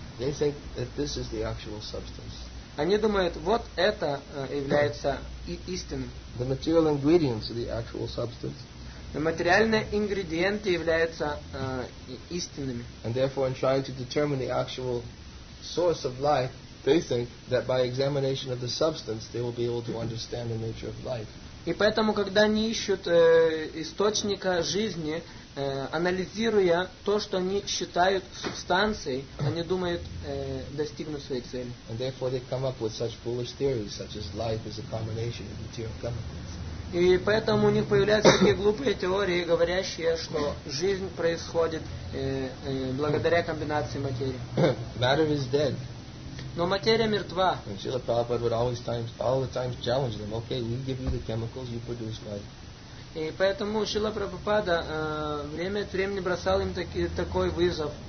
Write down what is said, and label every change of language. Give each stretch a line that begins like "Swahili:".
English: They think that this is the actual substance.
Russian: Они думают, вот это является истинным.
English: The material ingredients are the actual substance.
Russian: Материальные ингредиенты являются истинными.
English: And therefore, in trying to determine the actual source of life, they think that by examination of the substance, they will be able to understand the nature of life.
Russian: И поэтому, когда они ищут источника жизни, анализируя то, что они считают субстанцией, они думают достигнуть своей цели.
English: And therefore they come up with such foolish theories, such as life is a combination of material chemicals.
Russian: И поэтому у них появляются такие глупые теории, говорящие, что жизнь происходит благодаря комбинации материи.
English: Matter is dead.
Russian: Но материя мертва.
English: And Srila Prabhupada would always times, all the times challenge them. Okay, we give you the chemicals, you produce life.
Russian: И поэтому Шрила Прабхупада время от времени бросал им такой вызов.